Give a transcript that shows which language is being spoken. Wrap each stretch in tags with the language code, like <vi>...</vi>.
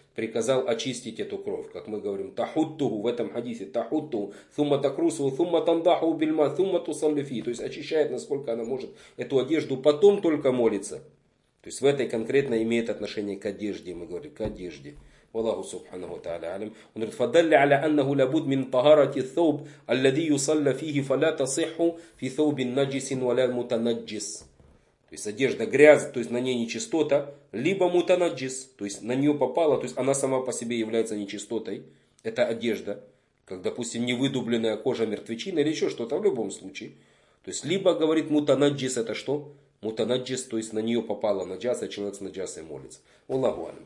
<ru>Приказал очистить эту кровь. Как мы говорим, тахуттуху в этом хадисе, тахуттуху, сумма такрусу, сумма тандаху бельма, сумма тусалифи. То есть очищает, насколько она может, эту одежду, потом только молится. То есть в этой конкретно имеет отношение к одежде, мы говорим, к одежде.</ru> <ar>والله سبحانه وتعالى عالم ان تفضل على انه لابد من طهاره الثوب الذي يصلى فيه فلا تصح في ثوب نجس ولا متنجس.</ar> <ru>То есть одежда грязь, то есть на ней нечистота, либо мутанаджис, то есть на нее попало, то есть она сама по себе является нечистотой, это одежда, как, допустим, невыдубленная кожа мертвечины или еще что-то, в любом случае, то есть либо говорит мутанаджис, это что? Мутанаджис, то есть на нее попала наджаса, человек с наджасой молится. Аллаху алим.</ru>